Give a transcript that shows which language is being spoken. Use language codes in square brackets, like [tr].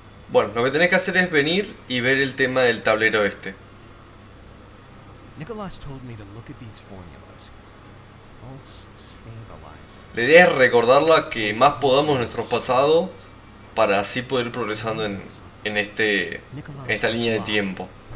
[es] Bueno, lo que tenés que hacer es venir y ver el tema del tablero este. [en] Nicholas told me to look at these formulas. Pulse stabilizer. [es] La idea es recordarla que más podamos nuestro pasado para así poder ir progresando en esta línea de tiempo.